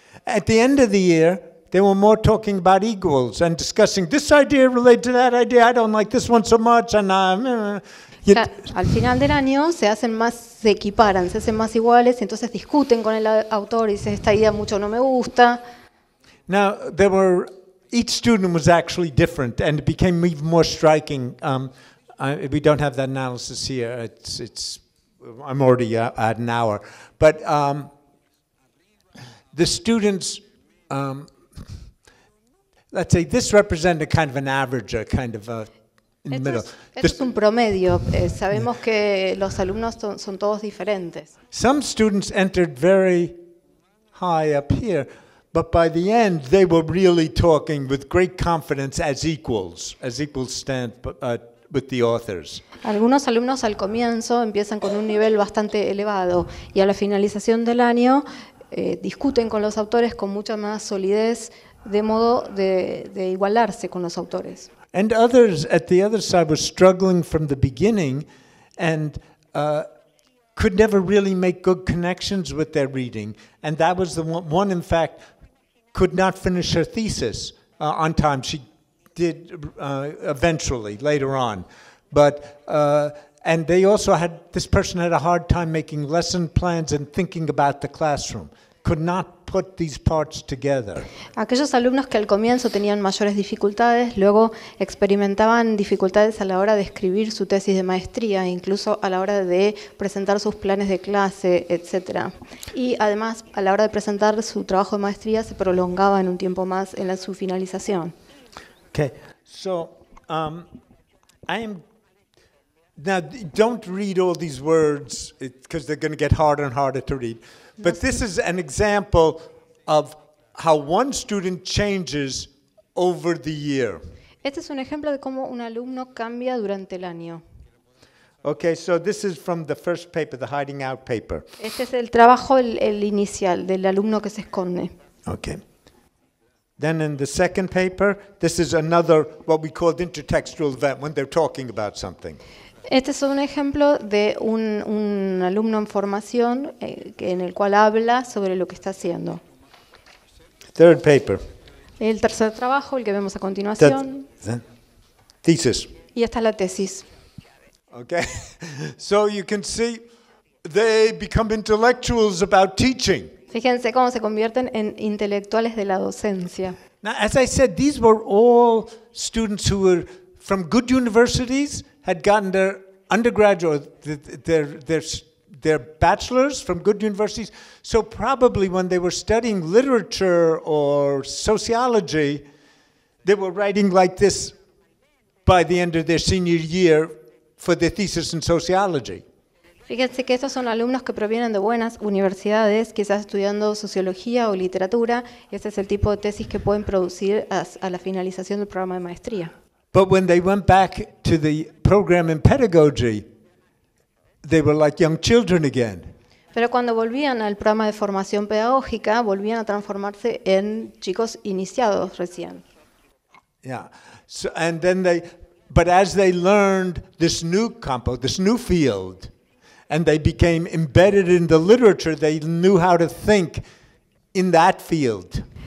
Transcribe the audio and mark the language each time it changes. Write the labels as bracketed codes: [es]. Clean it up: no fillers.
[en] At the end of the year, they were more talking about equals and discussing this idea related to that idea. I don't like this one so much, and I'm. [es] Al final del año se hacen más iguales y entonces discuten con el autor y dicen esta idea mucho no me gusta. [en] Now there were. Each student was actually different, and it became even more striking. We don't have that analysis here. I'm already at an hour, but the students, let's say, this represent a kind of an average, a kind of a in the middle. [es] Esto es un promedio. Sabemos que los alumnos son todos diferentes. [en] Some students entered very high up here. But by the end, they were really talking with great confidence as equals stand with the authors. [es] Algunos alumnos al comienzo empiezan con un nivel bastante elevado y a la finalización del año discuten con los autores con mucha más solidez de modo de igualarse con los autores. [en] And others at the other side were struggling from the beginning and could never really make good connections with their reading. And that was the one in fact, could not finish her thesis on time. She did eventually, later on. But, and they also had, this person had a hard time making lesson plans and thinking about the classroom. Could not put these parts together. [es] Aquellos alumnos que al comienzo tenían mayores dificultades, luego experimentaban dificultades a la hora de escribir su tesis de maestría, incluso a la hora de presentar sus planes de clase, etc. Y además, a la hora de presentar su trabajo de maestría, se prolongaba en un tiempo más en su finalización. [en] Okay, so now don't read all these words because they're going to get harder and harder to read. But this is an example of how one student changes over the year. [es] Este es un ejemplo de cómo un alumno cambia durante el año. [en] Okay, so this is from the first paper, the hiding out paper. [es] Este es el trabajo el inicial del alumno que se esconde. [en] Okay. Then in the second paper, this is another what we called intertextual event when they're talking about something. [es] Este es un ejemplo de un alumno en formación en el cual habla sobre lo que está haciendo. [en] Third paper. [es] El tercer trabajo, el que vemos a continuación. [en] Thesis. [es] Y esta es la tesis. [en] Okay. So you can see they become intellectuals about teaching. [es] Fíjense cómo se convierten en intelectuales de la docencia. [en] Now, as I said, these were all students who were from good universities, had gotten their undergraduate, their bachelor's from good universities. So probably when they were studying literature or sociology, they were writing like this by the end of their senior year for their thesis in sociology. [es] Fíjense que estos son alumnos que provienen de buenas universidades, quizás estudiando sociología o literatura, y este es el tipo de tesis que pueden producir a la finalización del programa de maestría. [en] But when they went back to the program in pedagogy, they were like young children again. [es] Pero cuando volvían al programa de formación pedagógica, volvían a transformarse en chicos iniciados recién. [en] Yeah. So, and then they, but as they learned this new campo, this new field, and they became embedded in the literature, they knew how to think in that field.